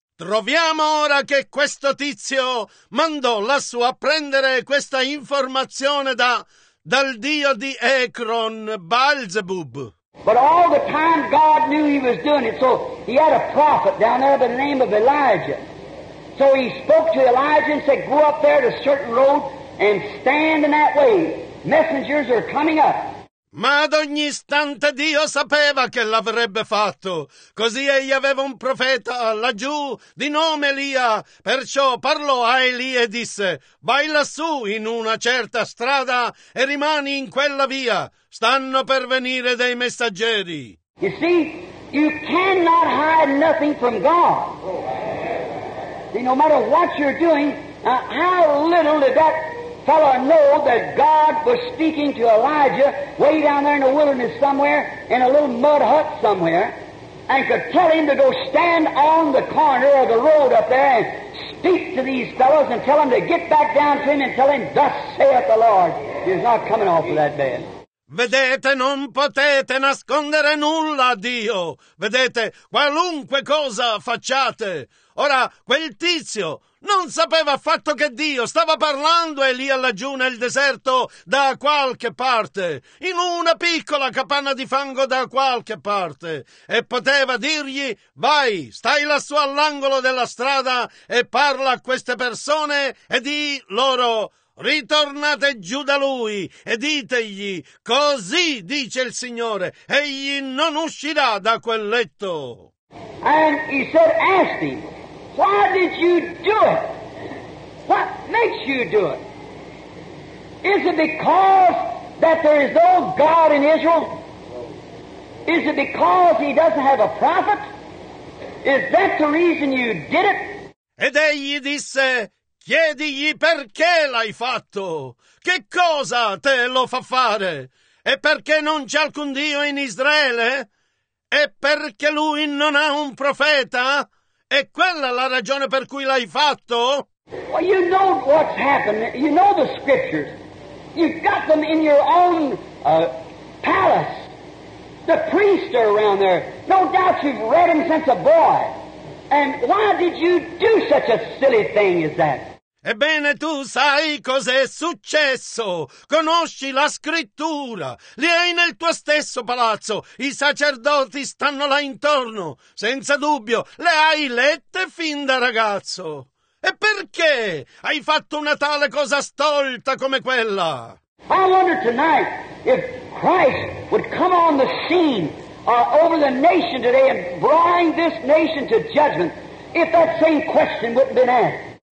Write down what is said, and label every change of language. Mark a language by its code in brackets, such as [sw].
[it] Troviamo ora che questo tizio mandò lassù a prendere questa informazione dal dio di Ekron, Baalzebub. [en] But all the time God knew he was doing it, so he had a prophet down there by the name of Elijah. So he spoke to Elijah and said, go up there to a certain road and stand in that way. Messengers are coming up. [it] Ma ad ogni istante Dio sapeva che l'avrebbe fatto. Così egli aveva un profeta laggiù di nome Elia. Perciò parlò a Elia e disse, vai lassù in una certa strada e rimani in quella via. Stanno per venire dei messaggeri. [en] You see, you cannot hide nothing from God. See, no matter what you're doing, how little did that fellow know that God was speaking to Elijah way down there in the wilderness somewhere, in a little mud hut somewhere, and could tell him to go stand on the corner of the road up there and speak to these fellows and tell them to get back down to him and tell him, thus saith the Lord. He's not coming off of that bed. [it] Vedete, non potete nascondere nulla a Dio. Vedete, qualunque cosa facciate. Ora, quel tizio non sapeva affatto che Dio stava parlando e lì laggiù nel deserto da qualche parte, in una piccola capanna di fango da qualche parte, e poteva dirgli, vai, stai lassù all'angolo della strada e parla a queste persone e di loro, ritornate giù da lui e ditegli, così dice il Signore, egli non uscirà da quel letto. [en] And he said, ask him. Why did you do it? What makes you do it? Is it because that there is no God in Israel? Is it because he doesn't have a prophet? Is that the reason you did it? [it] Ed egli disse, chiedigli perché l'hai fatto? Che cosa te lo fa fare? E perché non c'è alcun Dio in Israele? E perché lui non ha un profeta? È quella la ragione per cui l'hai fatto? [en] Well, you know what's happened. You know the scriptures. You've got them in your own palace. The priests are around there. No doubt you've read them since a boy. And why did you do such a silly thing as that? [it] Ebbene, tu sai cos'è successo. Conosci la scrittura. Li hai nel tuo stesso palazzo. I sacerdoti stanno là intorno. Senza dubbio, le hai lette fin da ragazzo. E perché hai fatto una tale cosa stolta come quella? [en] I wonder tonight if Christ would come on the scene over the nation today and bring this nation to judgment, if that same question wouldn't have been asked.